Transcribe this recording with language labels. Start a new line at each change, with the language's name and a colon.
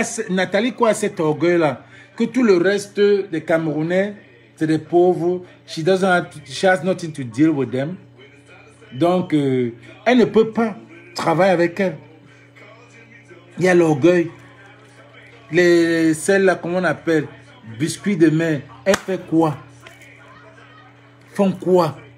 French: Nathalie, quoi, a cet orgueil-là. Que tout le reste des Camerounais, c'est des pauvres.
English: She has nothing to deal with them.
French: Donc, elle ne peut pas travailler avec elle. Il y a l'orgueil. Celle-là, comment on appelle, biscuit de mer, elle fait quoi? font quoi?